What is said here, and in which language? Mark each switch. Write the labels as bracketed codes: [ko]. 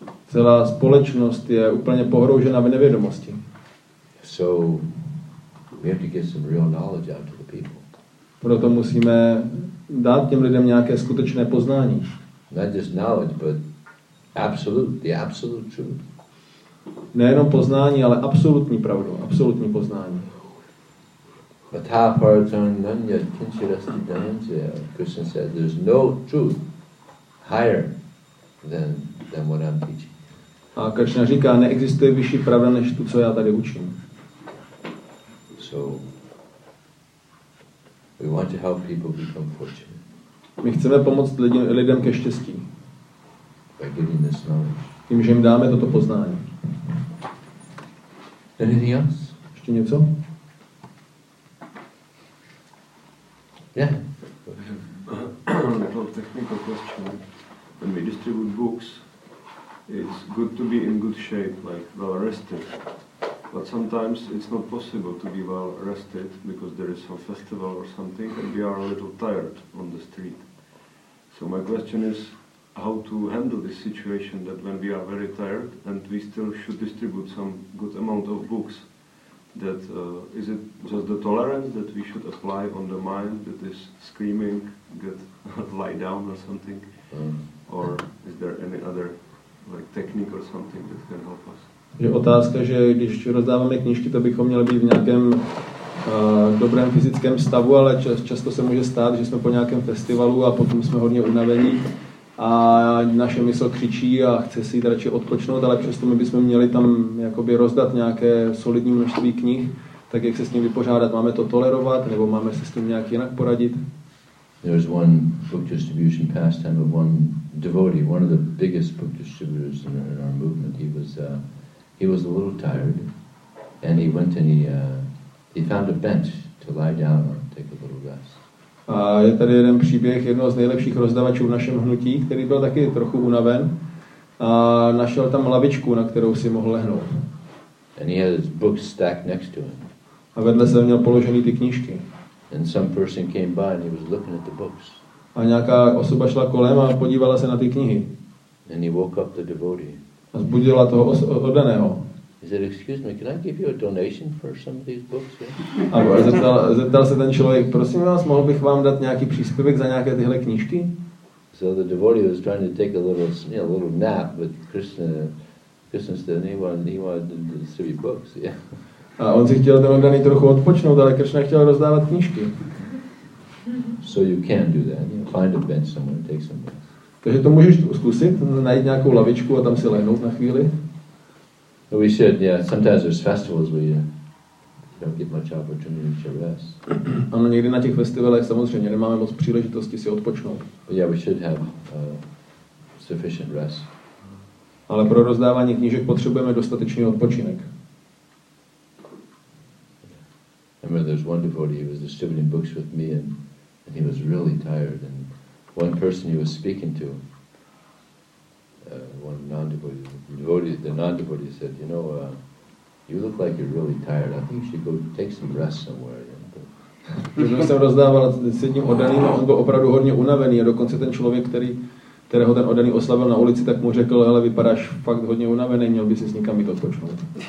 [cs] Celá společnost je úplně pohroužena v nevědomosti. [en] So we have to get some real knowledge out to the people. [cs] Proto musíme dát těm lidem nějaké skutečné poznání. [en] Not just knowledge, but the absolute truth. [cs] Nejenom poznání, ale absolutní pravdu, absolutní poznání. [sa] Tathā paratam nanyat kinchit asti dananjaya. [en] Krishna said, there's no truth higher than what I'm teaching. [cs] A Krishna říká, neexistuje vyšší pravda než tu, co já tady učím. [en] So, we want to help people become fortunate. [cs] My chceme pomoct lidem ke štěstí. [en] By giving this knowledge. [cs] Tím, že jim dáme toto poznání. [en] Anything else? [cs] Ještě něco? [en] Yeah. A little technical question. When we distribute books, it's good to be in good shape, like well rested. But sometimes it's not possible to be well rested because there is some festival or something, and we are a little tired on the street. So my question is, how to handle this situation that when we are very tired and we still should distribute some good amount of books? That is it just the tolerance that we should apply on the mind that is screaming, get lie down or something? Or is there any other like technique or something that can help us? [cs] Je otázka, že když rozdáváme knížky, to bychom měli být v nějakém dobrém fyzickém stavu, ale často se může stát, že jsme po nějakém festivalu a potom jsme hodně unavení a naše mysl křičí a chce si jít radši odpočnout, ale přesto my bychom měli tam jakoby rozdat nějaké solidní množství knih, tak jak se s tím vypořádat, máme to tolerovat nebo máme se s tím nějak jinak poradit? [en] There's one book distribution pastime of one devotee, one of the biggest book distributors in our movement. He was a little tired and he went and he found a bench to lie down on, take a little rest. [cs] A je tady jeden příběh jednoho z nejlepších rozdavačů v našem hnutí, který byl taky trochu unaven a našel tam lavičku, na kterou si mohl lehnout. [en] And he had his books stacked next to him. [cs] A vedle se měl položený ty knížky. [en] And some person came by and he was looking at the books. [cs] A nějaká osoba šla kolem a podívala se na ty knihy. [en] And he woke up the devotee. [cs] A zbudila toho oddaného. [en] He said, excuse me, can I give you a donation for some of these books? [cs] A zeptal se ten člověk, prosím vás, mohl bych vám dát nějaký příspěvek za nějaké tyhle knížky? [en] So the devotee was trying to take a little nap, but Krishna said, he wanted to distribute books, yeah. [cs] A on si chtěl ten oddaný trochu odpočnout, ale Krishna chtěl rozdávat knížky. [en] So you can do that, you know, find a bench somewhere and take some books. [cs] Takže to můžeš zkusit, najít nějakou lavičku a tam si lehnout na chvíli? [en] We should, yeah. Sometimes there's festivals where you don't get much opportunity to rest. [cs] Ano, někdy na těch festivalech samozřejmě nemáme moc příležitosti si odpočnout. [en] But yeah, we should have sufficient rest. [cs] Ale pro rozdávání knížek potřebujeme dostatečný odpočinek. [en] I remember there's one devotee, he was distributing books with me and he was really tired. And one person he was speaking to, one non-devotee, the non-devotee said, you know, You look like you're really tired. I think you should go take some rest somewhere. [cs] Protože jsem rozdával s jedním oddaným a on byl opravdu hodně unavený a dokonce ten člověk, kterého ten oddaný oslavil na ulici, tak mu řekl, ale vypadáš fakt hodně unavený, měl by si s někam jít odpočnout.